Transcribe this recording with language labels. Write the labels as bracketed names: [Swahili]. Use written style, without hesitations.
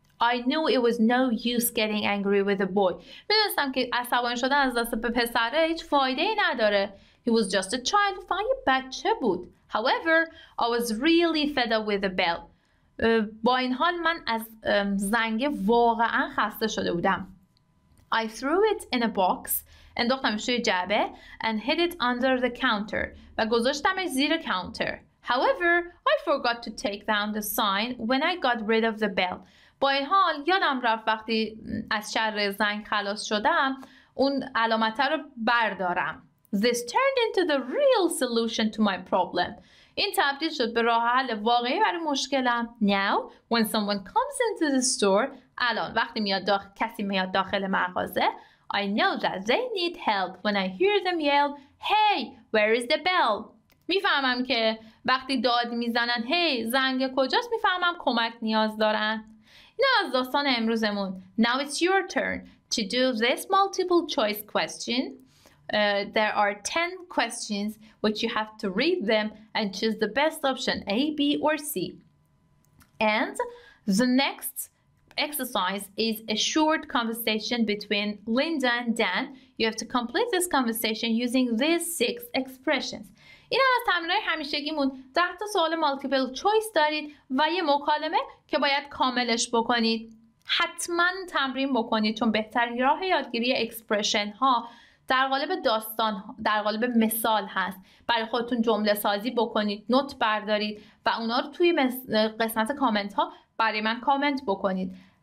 [English] I knew it was no use getting angry with the boy. [Persian] میدونستم که عصبانی شدن از دست به پسره هیچ فایده ای نداره. [English] He was just a child, [Persian] فقط یه بچه بود. [English] However, I was really fed up with the bell. [Persian] با این حال من از زنگ واقعا خسته شده بودم. I threw it in a box, انداختمش توی جعبه, and hid it under the counter, و گذاشتمش زیر کانتر. [English] However, I forgot to take down the sign when I got rid of the bell. [Persian] با این حال یادم رفت وقتی از شر زنگ خلاص شدم اون علامت رو بردارم. [English] This turned into the real solution to my problem. [Persian] این تبدیل شد به راه حل واقعی برای مشکلم. [English] Now, when someone comes into the store, [Persian] الان وقتی میاد کسی میاد داخل مغازه, [English] I know that they need help when I hear them yell, "Hey, where is the bell?" [Persian] میفهمم که وقتی داد میزنن, "Hey, زنگ کجاست?" میفهمم کمک نیاز دارن. این از داستان امروزمون. [English] Now it's your turn to do this multiple choice question. There are 10 questions which you have to read them and choose the best option A, B or C. And the next exercise is a short conversation between Linda and Dan. You have to complete this conversation using these 6 expressions. [Persian] این از تمرینای همیشگیمون 10 تا سوال multiple choice دارید و یه مکالمه که باید کاملش بکنید. حتما تمرین بکنید چون بهترین راه یادگیری expression ها در قالب داستان در قالب مثال هست. برای خودتون جمله سازی بکنید, نوت بردارید و اونا رو توی قسمت کامنت ها برای من کامنت بکنید.